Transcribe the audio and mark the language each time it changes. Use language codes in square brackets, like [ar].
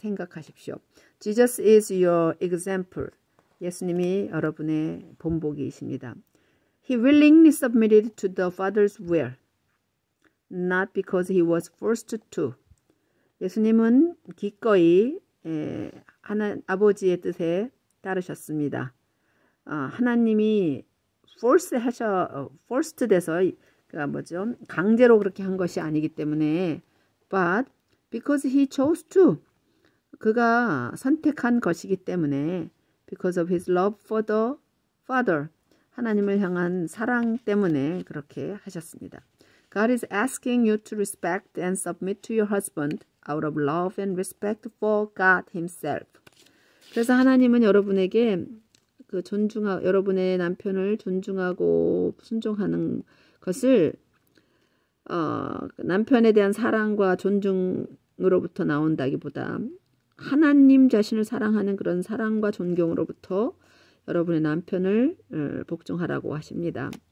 [ko] 생각하십시오. [en] Jesus is your example. [ko] 예수님이 여러분의 본보기이십니다. [en] He willingly submitted to the Father's will, not because he was forced to. [ko] 예수님은 기꺼이 아버지의 뜻에 따르셨습니다. 하나님이 forced 돼서 뭐죠? 강제로 그렇게 한 것이 아니기 때문에, [en] but because he chose to, [ko] 그가 선택한 것이기 때문에. [en] Because of his love for the Father, [ko] 하나님을 향한 사랑 때문에 그렇게 하셨습니다. [en] God is asking you to respect and submit to your husband out of love and respect for God himself. [ko] 그래서 하나님은 여러분에게 여러분의 남편을 존중하고 순종하는 것을 남편에 대한 사랑과 존중으로부터 나온다기보다 하나님 자신을 사랑하는 그런 사랑과 존경으로부터 여러분의 남편을 복종하라고 하십니다.